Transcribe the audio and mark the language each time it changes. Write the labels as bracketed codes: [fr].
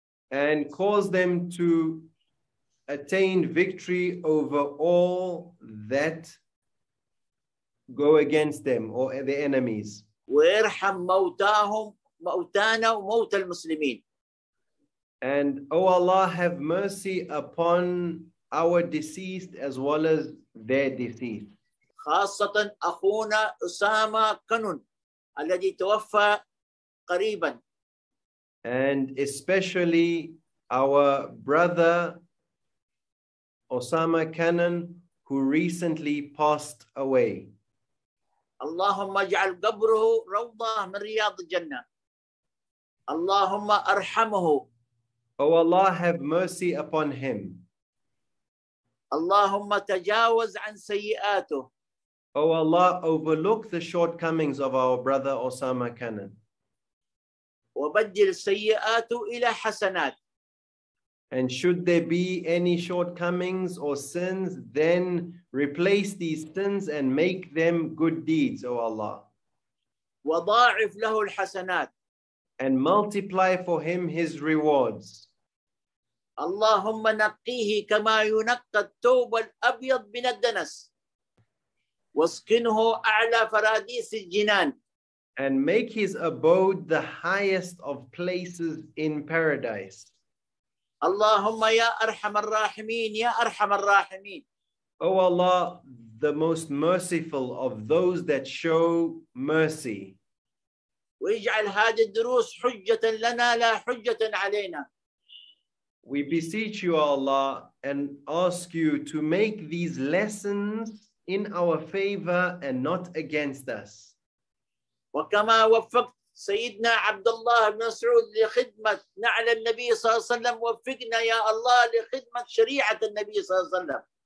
[en] And cause them to attain victory over all that go against them or the enemies. [ar] وَيَرْحَمْ مَوْتَاهُمْ مَوْتَانَا وَمَوْتَ الْمُسْلِمِينَ. [en] And O Allah, have mercy upon our deceased as well as their deceased. [ar] خاصةً أخونا أسامة كنون الذي توفى قريباً. [en] And especially our brother Osama Kanan, who recently passed away. [ar] اللهم اجعل قبره روضة من رياض الجنة. اللهم أرحمه. [en] O Allah, have mercy upon him. [ar] Allahumma tajawaz an sayyi'atu. [en] O Allah, overlook the shortcomings of our brother Osama Kanan. [ar] Wabaddil sayyi'atu ila hasanat. [en] And should there be any shortcomings or sins, then replace these sins and make them good deeds, O Allah. [ar] Wada'if lahu al-hasanat. [en] And multiply for him his rewards. [ar] اللهم نقيه كما ينقى الثوب الأبيض من الدنس واسكنه أعلى فراديس الجنان. [en] And make his abode the highest of places in paradise. [ar] اللهم يا أرحم الراحمين يا أرحم الراحمين. [en] O Allah, the most merciful of those that show mercy. [ar] واجعل هذه الدروس حجة لنا لا حجة علينا. [en] We beseech you, Allah, and ask you to make these lessons in our favor and not against us. [ar] وَكَمَا وَفَّقْتْ سَيِّدْنَا عَبْدَ اللَّهِ مَسْعُودِ لِخِدْمَةِ نَعْلَى النَّبِيِّ صَلَى اللَّهِ وَسَلَّمْ وَفِّقْنَا يَا اللَّهِ لِخِدْمَةِ شَرِيعَةِ النَّبِيِّ صَلَى اللَّهِ وَسَلَّمْ.